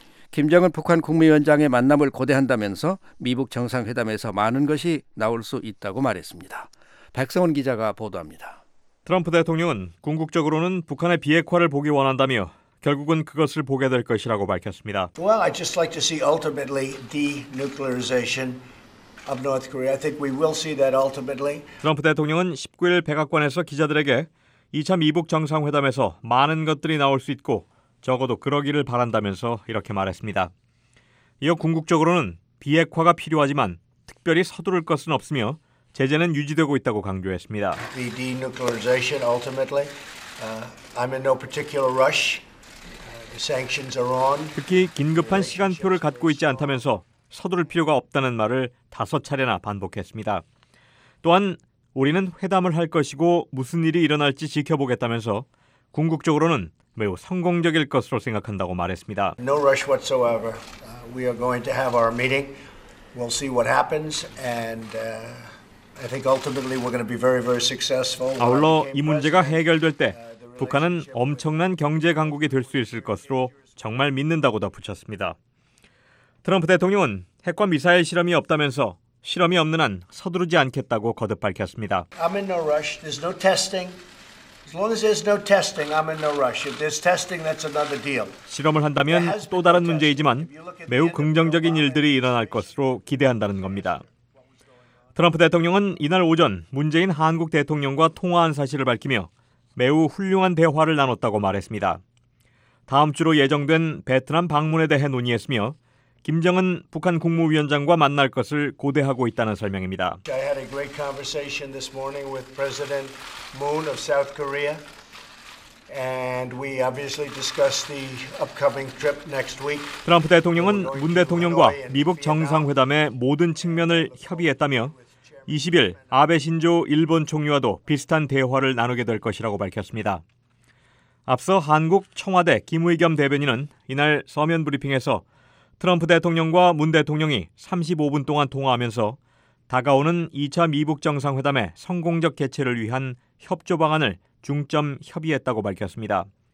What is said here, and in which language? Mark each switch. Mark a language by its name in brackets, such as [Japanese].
[Korean] 김정은 북한 국무위원장의 만남을 고대한다면서 미북 정상회담에서 많은 것이 나올 수 있다고 말했습니다. 백성훈 기자가 보도합니다. 트럼프 대통령은 궁극적으로는 북한의 비핵화를 보기 원한다며 결국은 그것을 보게 될 것이라고 밝혔습니다. [English] Well, I'd just like to see ultimately denuclearization of North Korea. I think we will see that ultimately. [Korean] 트럼프 대통령은 19일 백악관에서 기자들에게 2차 미북 정상회담에서 많은 것들이 나올 수 있고 적어도 그러기를 바란다면서 이렇게 말했습니다. 이어 궁극적으로는 비핵화가 필요하지만 특별히 서두를 것은 없으며 제재는 유지되고 있다고 강조했습니다. [English] The denuclearization ultimately. I'm in no particular rush. Sanctions are on. [Korean] 특히 긴급한 시간표를 갖고 있지 않다면서 서두를 필요가 없다는 말을 다섯 차례나 반복했습니다. 또한 우리는 회담을 할 것이고 무슨 일이 일어날지 지켜보겠다면서 궁극적으로는 매우 성공적일 것으로 생각한다고 말했습니다. [English] No rush whatsoever. We are going to have our meeting. We'll see what happens and I think ultimately we're going to be very very successful. [Korean] 아울러 이 문제가 해결될 때 북한은 엄청난 경제 강국이 될 수 있을 것으로 정말 믿는다고 덧붙였습니다. 트럼프 대통령은 핵과 미사일 실험이 없다면서 실험이 없는 한 서두르지 않겠다고 거듭 밝혔습니다. [English] I'm in no rush. There's no testing. As long as there's no testing, I'm in no rush. If there's testing, that's another deal. [Korean] 실험을 한다면 또 다른 문제이지만 매우 긍정적인 일들이 일어날 것으로 기대한다는 겁니다. 트럼프 대통령은 이날 오전 문재인 한국 대통령과 통화한 사실을 밝히며 매우 훌륭한 대화를 나눴다고 말했습니다. 다음 주로 예정된 베트남 방문에 대해 논의했으며 김정은 북한 국무위원장과 만날 것을 고대하고 있다는 설명입니다. [English] I had a great conversation this morning with President Moon of South Korea and we obviously discussed the upcoming trip next week. [Korean] 트럼프 대통령은 문 대통령과 미북 정상회담의 모든 측면을 협의했다며 20일 아베 신조 일본 총리와도 비슷한 대화를 나누게 될 것이라고 밝혔습니다. 앞서 한국 청와대 김의겸 대변인은 이날 서면 브리핑에서 트럼프 대통령과 문 대통령이 35분 동안 통화하면서 다가오는 2차 미북 정상회담의 성공적 개최를 위한 협조 방안을 중점 협의했다고 밝혔습니다.